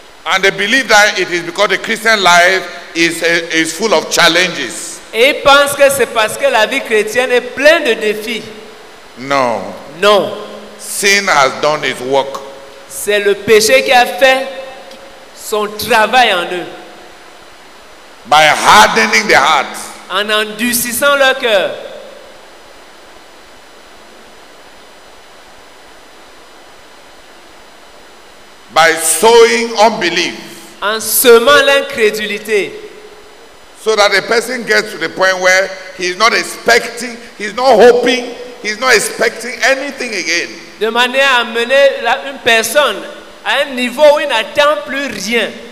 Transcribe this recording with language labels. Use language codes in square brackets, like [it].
[en] And they believe that it is because the Christian life is full of challenges. [fr] Et ils pensent que c'est parce que la vie chrétienne est pleine de défis. Non. Non. [en] Sin has done its work. [fr] C'est le péché qui a fait son travail en eux. [en] By hardening their hearts. [fr] En endurcissant leur cœur. [en] By sowing unbelief. [fr] En semant l'incrédulité. [en] So that the person gets to the point where he's not expecting, he's not hoping, he's not expecting anything again. [fr] De manière à mener une personne à un niveau où il n'attend plus rien.